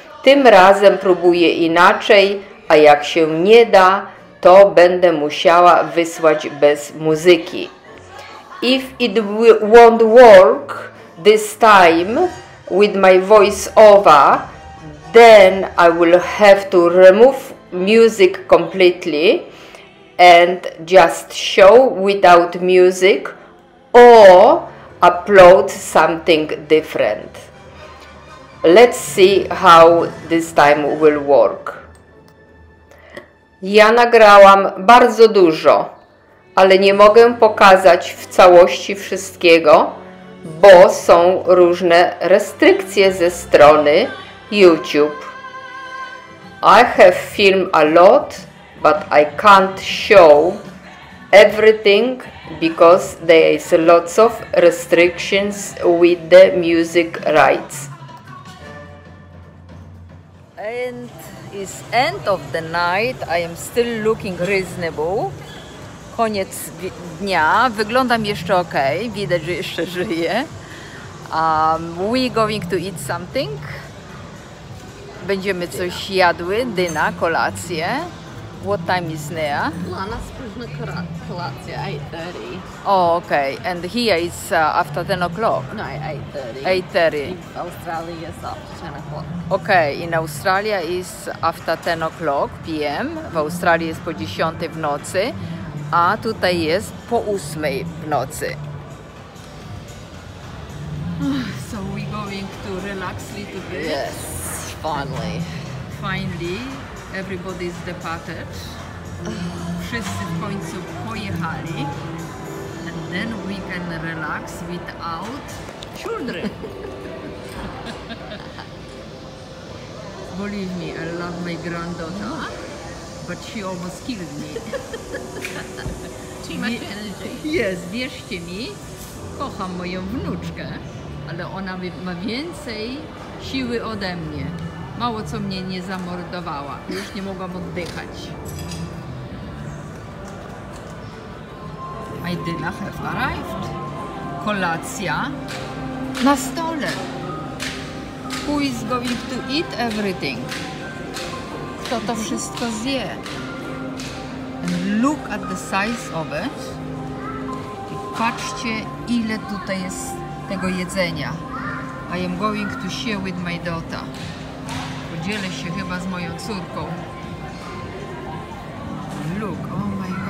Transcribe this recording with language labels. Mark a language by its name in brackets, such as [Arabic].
[Polish] Tym razem próbuję inaczej, a jak się nie da, to będę musiała wysłać bez muzyki. [English] If it won't work this time with my voice over, then I will have to remove music completely and just show without music or upload something different. Let's see how this time will work. [Polish] Ja nagrałam bardzo dużo, ale nie mogę pokazać w całości wszystkiego, bo są różne restrykcje ze strony YouTube. [English] I have film a lot, but I can't show everything because there is lots of restrictions with the music rights. And it's end of the night, I am still looking reasonable. [Polish] Koniec dnia. Wyglądam jeszcze ok. Widać, że jeszcze żyję. [English] We going to eat something. [Polish] Będziemy coś jadły. Dyna, kolację. [English] What time is now? [Polish] Dla nas późna kolacja. 8:30. [English] Oh, ok. And here it's after 10 o'clock. No, 8:30. 8:30. In Australia is after 10 o'clock. Ok. In Australia is after 10 o'clock p.m. [Polish] W Australii jest po 10 w nocy. A tutaj jest po 8 w nocy. [English] So we going to relax a little bit. Yes, finally. Finally, everybody is departed. Wszyscy w końcu pojechali. And then we can relax without children. Believe me, I love my granddaughter. But she almost killed me. Too much energy. [Polish] Yes, wierzcie mi, kocham moją wnuczkę, ale ona ma więcej siły ode mnie. Mało co mnie nie zamordowała. Już nie mogłam oddychać. [English] My dinner has arrived. [Polish] Kolacja na stole. [English] Who is going to eat everything? [Polish] To wszystko zje. [English] And look at the size of it. [Polish] I patrzcie, ile tutaj jest tego jedzenia. [English] I am going to share with my daughter. [Polish] Podzielę się chyba z moją córką. [English] Look, oh my.